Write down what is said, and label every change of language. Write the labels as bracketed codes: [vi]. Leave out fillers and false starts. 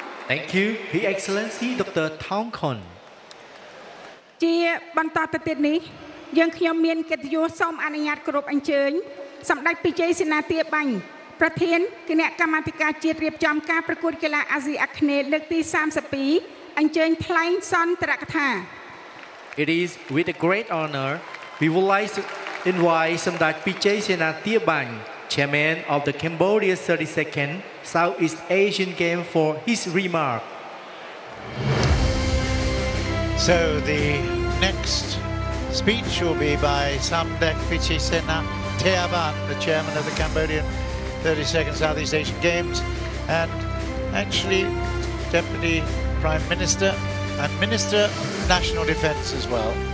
[en] Thank you His Excellency Dr. Thong Khon. [km] ជាបន្តទៅទៀតនេះយើងខ្ញុំមានកិត្តិយសសូមអនុញ្ញាតគោរពអញ្ជើញសម្តេចវិជ័យសេនាទាបាញ់ប្រធានគណៈកម្មាធិការជាតិរៀបចំការប្រកួតកីឡាអាស៊ីអាគ្នេយ៍លើកទី32អញ្ជើញថ្លែងសន្ទរកថា [en] It is with a great honor we would like to invite សម្តេចវិជ័យសេនាទាបាញ់ Chairman of the Cambodia 32nd Southeast Asian Game for his remark So the next speech will be by Samdek Vichisena Teaban, the chairman of the Cambodian 32nd Southeast Asian Games, and actually Deputy Prime Minister and Minister of National Defence as well.